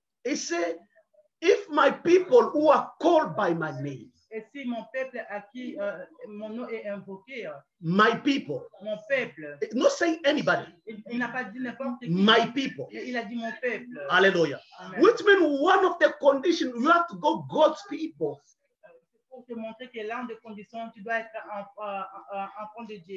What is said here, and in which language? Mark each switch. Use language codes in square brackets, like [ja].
[en] He say if my people who are called by my name. [fr] Et si mon peuple à qui mon nom est invoqué. [en] My people. [fr] Mon peuple. [en] Not saying anybody. [fr] Il n'a pas dit n'importe qui. [en] My people. [fr] Il a dit mon peuple. Alléluia. [en] Which means one of the conditions you have to go God's people. [fr] Pour te montrer que l'un des conditions, tu dois être enfant de Dieu.